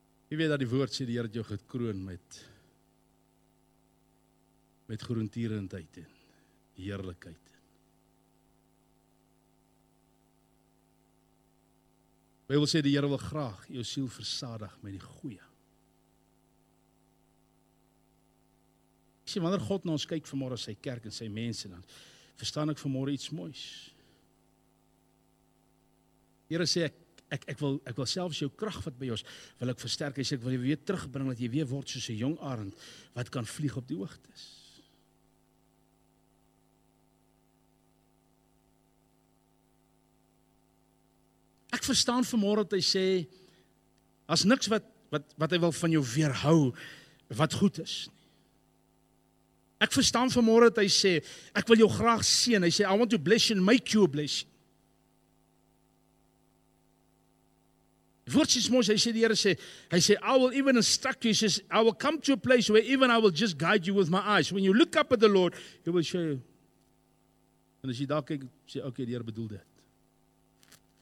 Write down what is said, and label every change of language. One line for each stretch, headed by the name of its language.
Afrikaans: Wie weet dat die woord sê, die Heer het jou gekroon met groentierendheid en heerlijkheid. Hy wil sê, die Heer wil graag jou siel versadig met die goeie. Ek sê, wanneer God na ons kyk vanmorgen sy kerk en sy mense, dan verstaan ek vanmorgen iets moois. Heer sê, ek wil selfs jou krag wat by ons, wil ek versterk, hy sê, ek wil jou weer terugbring, dat jy weer word soos 'n jong arend, wat kan vlieg op die hoogtes. Ek verstaan vanmorgen dat hy sê, as niks wat hy wil van jou weerhou, wat goed is. Ek verstaan vanmorgen dat hy sê, ek wil jou graag sien. Hy sê,
English: I want to bless you and make you a blessing.
Afrikaans: Woordsies moos, hy sê,
English: die Heere sê, hy sê, I will even instruct you, he says, I will come to a place where even I will just guide you with my eyes. When you look up at the Lord, he will show you.
Afrikaans: En as jy daar kyk, sê, okay, die Heere bedoel dit.